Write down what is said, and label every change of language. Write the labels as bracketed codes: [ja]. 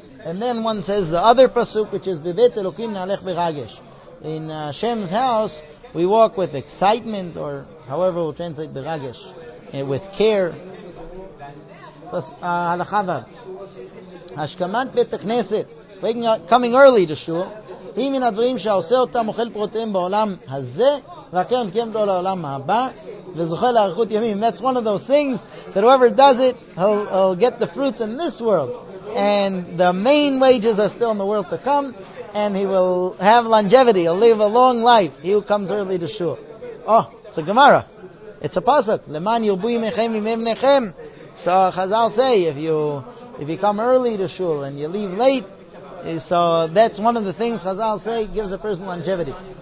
[en] And then one says the other pasuk, which is B'vet Elokim Na'alech B'ragesh. In Hashem's house, we walk with excitement, or however we'll translate B'ragesh, with care. Halachavad. Hashkamat Bet HaKneset. Waking up, coming early to shul. [he] אם מן הדברים שעושה אותם אוכל פרוטיהם בעולם הזה והקרן קיים לו לעולם הבא וזוכה לארכות ימים. [en] That's one of those things that whoever does it, he'll get the fruits in this world, and the main wages are still in the world to come, and he will have longevity, he'll live a long life, he who comes early to shul. Oh, it's a Gemara, it's a pasuk. [he] למען ירבו ימיכם וימי בניכם. [en] So Chazal say, if you come early to shul and you leave late, so that's one of the things Chazal say gives a person longevity.